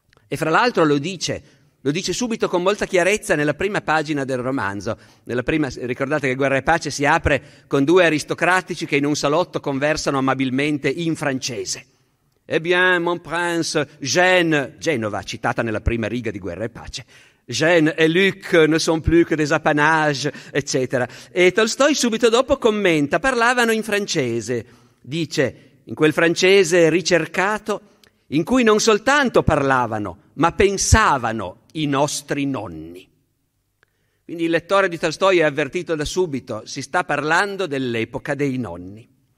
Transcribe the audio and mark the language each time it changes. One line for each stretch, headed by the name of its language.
Italian: E fra l'altro lo dice subito con molta chiarezza nella prima pagina del romanzo. Ricordate che Guerra e Pace si apre con due aristocratici che in un salotto conversano amabilmente in francese.
French: Eh bien, mon prince,
Italian: Genova, citata nella prima riga di Guerra e Pace.
French: Gene e Luc ne sont plus que des apanages, eccetera.
Italian: E Tolstoi subito dopo commenta, parlavano in francese. Dice, in quel francese ricercato, in cui non soltanto parlavano, ma pensavano i nostri nonni. Quindi il lettore di Tolstoi è avvertito da subito, si sta parlando dell'epoca dei nonni.